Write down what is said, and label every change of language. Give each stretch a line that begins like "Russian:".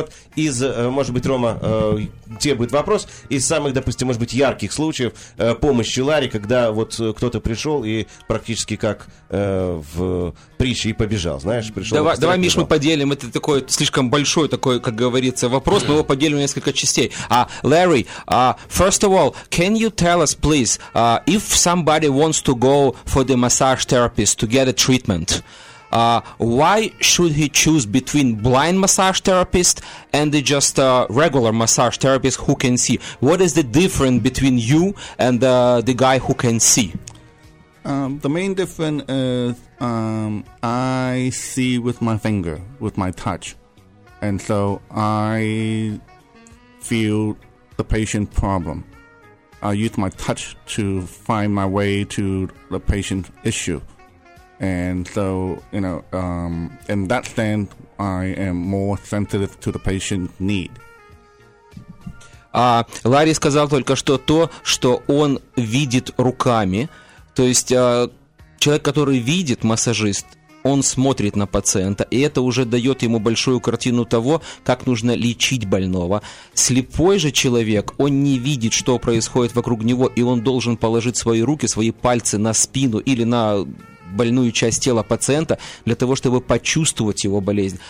Russian: Вот из, может быть, Рома, тебе будет вопрос, из самых, допустим, может быть, ярких случаев помощи Ларри, когда вот кто-то пришел и практически как в притче и побежал, знаешь, пришел. Давай, Миш, мы поделим, это такое слишком большой такой, как говорится, вопрос, мы его поделим на несколько частей.
English: Ларри, first of all, can you tell us, please, if somebody wants to go for the massage therapist to get a treatment, why should he choose between blind massage therapist and the just regular massage therapist who can see? What is the difference between you and the guy who can see? The main difference is I see with my finger, with my touch. And so I feel the patient's problem. I use my touch to find my way to the patient's issue. And so, you know, in that sense, I am more sensitive to the patient's need.
Russian: Ларри сказал только что то, что он видит руками. То есть человек, который видит, массажист, он смотрит на пациента, и это уже дает ему большую картину того, как нужно лечить больного. Слепой же человек, он не видит, что происходит вокруг него, и он должен положить свои руки, свои пальцы на спину или на больную часть тела пациента для того, чтобы почувствовать его болезнь.